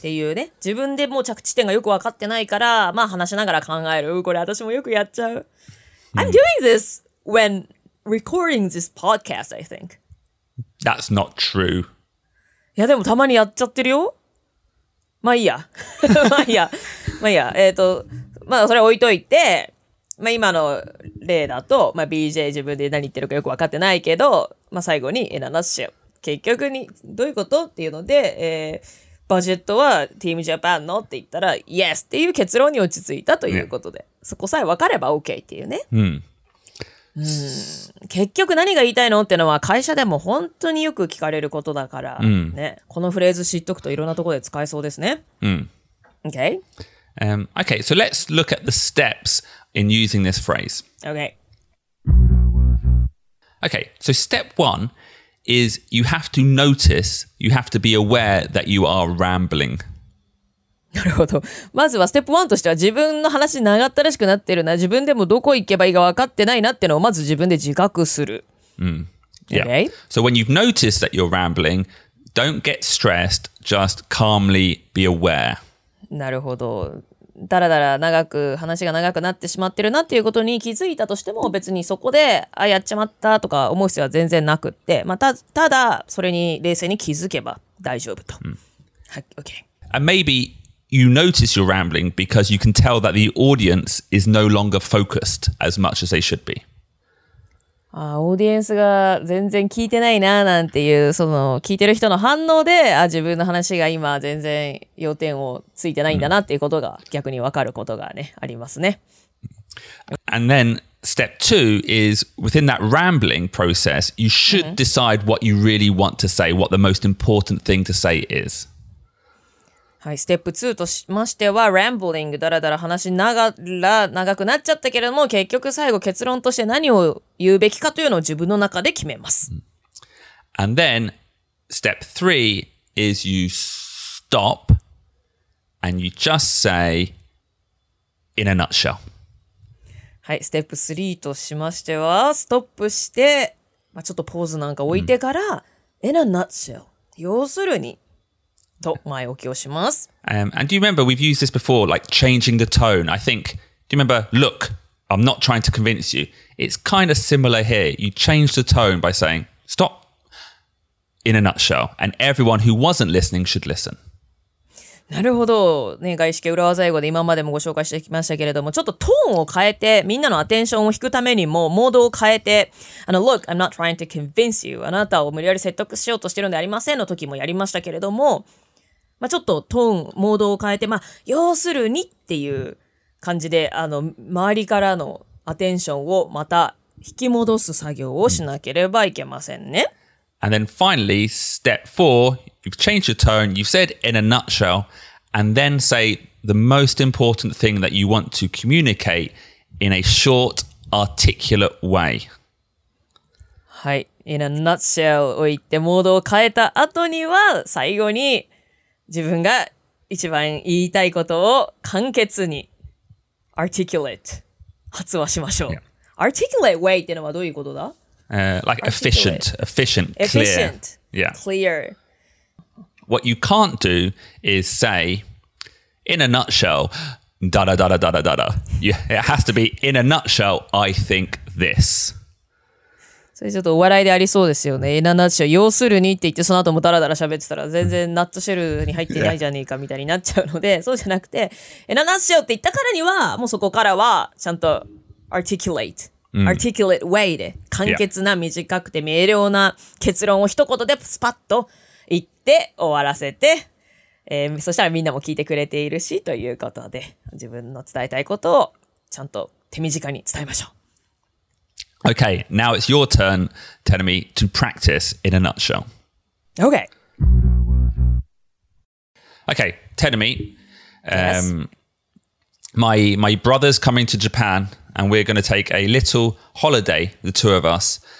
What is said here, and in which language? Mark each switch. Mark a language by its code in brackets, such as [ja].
[ja] っていうね、自分でもう着地点がよく分かってないから、まあ話しながら考える。これ私もよくやっちゃう。 [en] I'm doing this when recording this podcast, I think. That's not true. [ja] いやでもたまにやっちゃってるよ。まあいいや。まあいいや。まあそれ置いといて、まあ今の例だと、まあ BJ 自分で何言ってるかよく分かってないけど、まあ最後に、 [en] in a nutshell。 [ja] 結局に、どういうことっていうので、バジェットは Team Japan のって言ったら、Yes! っていう結論に落ち着いたということで、ね、そこさえ分かれば OK っていうね。うん。結局何が言いたいのってのは会社でも本当によく聞かれることだから、うん、ね。このフレーズ知っとくといろんなところで使えそうですね。うん。 [en] Okay? Okay, so let's look at the steps in using this phrase. Okay. Okay, so step one is you have to notice, you have to be aware that you are rambling. [ja] なるほど。まずはステップ1としては自分の話長ったらしくなってるな、自分でもどこ行けばいいか分かってないなってのをまず自分で自覚する。 [en] Yeah. Okay. So when you've noticed that you're rambling, don't get stressed, just calmly be aware. [ja] なるほど。だらだら長く話が長くなってしまってるなっていうことに気づいたとしても別にそこであやっちまったとか思う必要は全然なくって、まあ、ただそれに冷静に気づけば大丈夫と。はい、OK。 [en] And maybe you notice you're rambling because you can tell that the audience is no longer focused as much as they should be. [ja] オーディエンスが全然聞いてないななんていう、その聞いてる人の反応で、自分の話が今全然要点をついてないんだなっていうことが逆に分かることがね、ありますね。 [en] And then step two is within that rambling process, you should decide what you really want to say, what the most important thing to say is. [ja] はい、ステップ2としましては、rambling、だらだら話しながら長くなっちゃったけれども、結局最後結論として何を言うべきかというのを自分の中で決めます。 [en] And then, step 3 is you stop and you just say in a nutshell. [ja] はい、ステップ3としましては、ストップして、まあ、ちょっとポーズなんか置いてから、 [en] in a nutshell。 [ja] 要するに、 [en] And do you remember we've used this before, like changing the tone? I think, do you remember, look, I'm not trying to convince you. It's kind of similar here. You change the tone by saying, stop, in a nutshell. And everyone who wasn't listening should listen. [ja] なるほど、ね、外資系裏技英語で今までもご紹介してきましたけれども、ちょっとトーンを変えて、みんなのアテンションを引くためにも、モードを変えて、 [en] look, I'm not trying to convince you. [ja] あなたを無理やり説得しようとしてるんでありませんの時もやりましたけれども、まあ、ちょっとトーン、モードを変えて、まあ、要するにっていう感じで、周りからのアテンションをまた引き戻す作業をしなければいけませんね。 [en] And then finally, step four, you've changed your tone, you've said in a nutshell, and then say the most important thing that you want to communicate in a short, articulate way. [ja] はい、 [en] in a nutshell [ja] を言ってモードを変えた後には、最後に自分が一番言いたいことを簡潔に articulate 発話しましょう。Yeah. articulate way ってのはどういうことだ？ [en] Like efficient, efficient, clear. Efficient, yeah. Clear. What you can't do is say, in a nutshell, da da da da da da da da. It has to be, in a nutshell, I think this. [ja] それちょっとお笑いでありそうですよね。 [en] in a nutshell, [ja] 要するにって言って、その後もダラダラ喋ってたら、全然ナットシェルに入ってないじゃねえかみたいになっちゃうので、そうじゃなくて、in a nutshell って言ったからには、もうそこからはちゃんと articulate. Articulate way で簡潔な短くて明瞭な結論を一言でスパッと言って終わらせて、そしたらみんなも聞いてくれているしということで自分の伝えたいことをちゃんと手短に伝えましょう。 [en] Okay, now it's your turn, Tenami, to practice in a nutshell. Okay. Okay, Tenami, my brother's coming to Japan. And we're going to take a little holiday, the two of us.